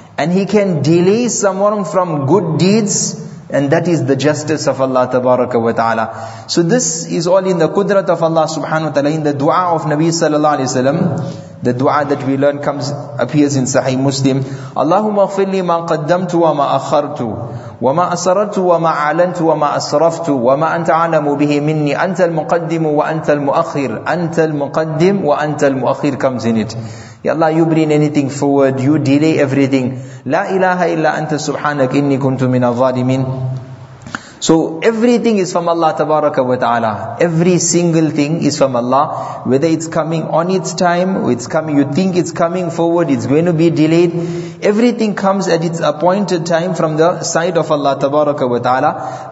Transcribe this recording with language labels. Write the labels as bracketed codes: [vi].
[en] And He can delay someone from good deeds, and that is the justice of Allah tabaraka wa ta'ala. So this is all in the qudrat of Allah subhanahu wa ta'ala, in the dua of Nabi sallallahu alayhi wa sallam. The dua that we learn appears in Sahih Muslim. [ar] Allahumma ighfir li ma qaddamtu wa ma akhartu. وما أسررت وما أعلنت وما أسرفت وما أنت أعلم به مني أنت المقدم وأنت المؤخر أنت المقدم وأنت المؤخر [en] comes in it. Ya Allah, you bring anything forward, you delay everything. [ar] لا إله إلا أنت سبحانك إني كنت من الظالمين. [en] So everything is from Allah Tabaraka wa Ta'ala. Every single thing is from Allah. Whether it's coming on its time, or it's coming, you think it's coming forward, it's going to be delayed. Everything comes at its appointed time from the side of Allah Tabaraka wa Ta'ala.